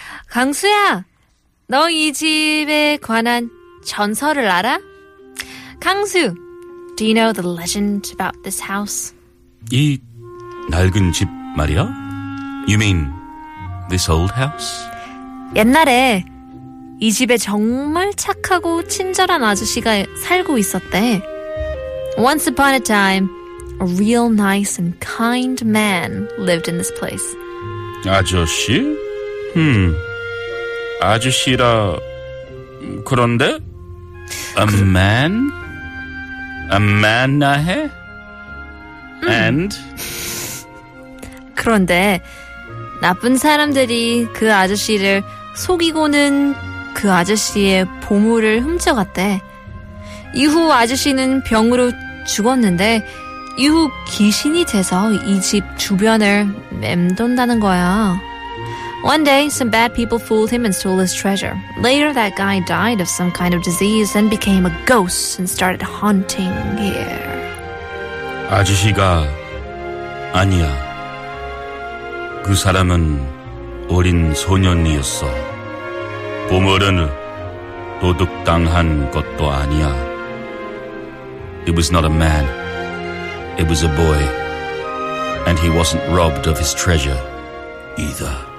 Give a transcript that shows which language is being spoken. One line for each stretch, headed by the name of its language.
Korean: 강수야, 너 이 집에 관한 전설을 알아?
English: 강수, do you know the legend about this house?
Korean: 이 낡은 집 말이야?
English: You mean this old house?
Korean: 옛날에 이 집에 정말 착하고 친절한 아저씨가 살고 있었대.
English: Once upon a time, a real nice and kind man lived in this place.
Korean: 아저씨? 아저씨라 그런데?
English: A man? A man,
Korean: 나해?
English: And?
Korean: 그런데 나쁜 사람들이 그 아저씨를 속이고는 그 아저씨의 보물을 훔쳐갔대. 이후 아저씨는 병으로 죽었는데 이후 귀신이 돼서 이 집 주변을 맴돈다는 거야.
English: One day, some bad people fooled him and stole his treasure. Later, that guy died of some kind of disease and became a ghost and started haunting here.
Korean: 아저씨가 아니야. 그 사람은 어린 소년이었어. 보물은 도둑당한 것도 아니야.
English: It was not a man. It was a boy. And he wasn't robbed of his treasure either.